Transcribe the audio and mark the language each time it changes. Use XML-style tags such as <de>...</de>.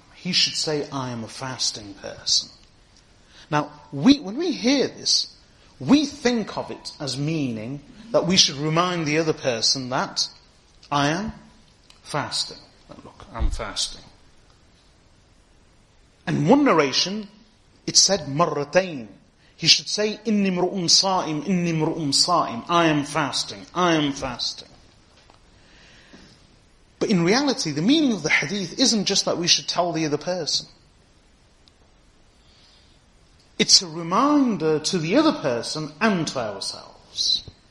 <en>He should say, I am a fasting person. Now, when we hear this, we think of it as meaning that we should remind the other person that I am fasting. Look, I'm fasting. And one narration, it said مَرَّتَيْن. He should say,</en> <ar>إِنِّي مْرُؤٌ صَائِمٌ, إِنِّي مْرُؤٌ صَائِمٌ.</ar> <en>I am fasting, I am fasting. But in reality, the meaning of the hadith isn't just that we should tell the other person. It's a reminder to the other person and to ourselves.</en>